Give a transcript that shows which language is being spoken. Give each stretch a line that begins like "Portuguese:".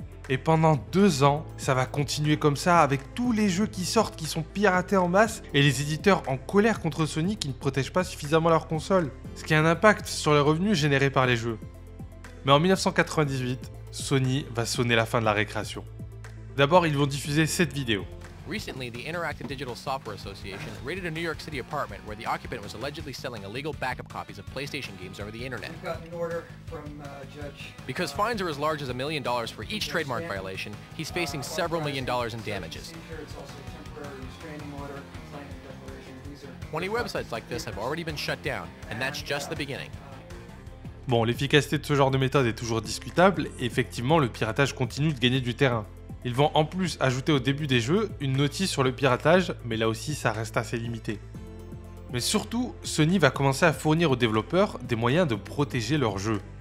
French: Et pendant 2 ans, ça va continuer comme ça avec tous les jeux qui sortent qui sont piratés en masse et les éditeurs en colère contre Sony qui ne protègent pas suffisamment leur console, ce qui a un impact sur les revenus générés par les jeux. Mais en 1998, Sony va sonner la fin de la récréation. D'abord, ils vont diffuser cette vidéo.
English: Recently, the Interactive Digital Software Association raided a New York City apartment where the occupant was allegedly selling illegal backup copies of PlayStation games over the internet. We've got an order from Judge. Because fines are as large as $1 million for each trademark violation, he's facing several million dollars in damages. Seizure, it's also a temporary restraining order, complaint and declaration. These are 20 websites like this have already been shut down, and that's just the beginning.
French: Bon, l'efficacité de ce genre de méthode est toujours discutable, et effectivement, le piratage continue de gagner du terrain. Ils vont en plus ajouter au début des jeux une notice sur le piratage, mais là aussi ça reste assez limité. Mais surtout, Sony va commencer à fournir aux développeurs des moyens de protéger leurs jeux.